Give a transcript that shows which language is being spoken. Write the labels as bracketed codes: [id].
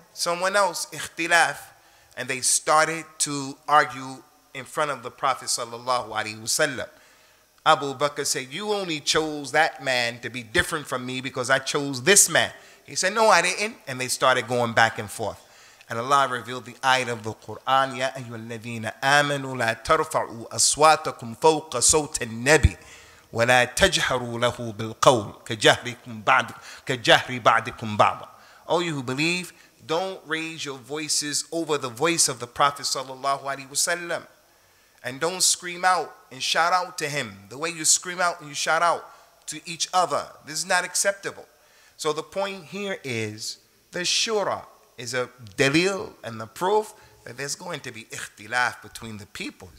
[en] Someone else, ikhtilaf. And they started to argue in front of the Prophet sallallahu alayhi wasallam. Abu Bakr said, you only chose that man to be different from me because I chose this man. He said, no, I didn't. And they started going back and forth. And Allah revealed the ayat of the Quran, [ar] يَا أَيُّهَا الَّذِينَ آمَنُوا لَا تَرْفَعُوا أَصْوَاتَكُمْ فَوْقَ صَوْتِ النَّبِيِّ وَلَا تَجْهَرُوا لَهُ بِالْقَوْلِ كَجَهْرِ بَعْدِكُمْ بَعْضًا. [en] All you who believe, don't raise your voices over the voice of the Prophet sallallahu alaihi wasallam, and don't scream out and shout out to him the way you scream out and you shout out to each other. This is not acceptable. So the point here is the shura is a dalil and the proof that there's going to be ikhtilaf between the people.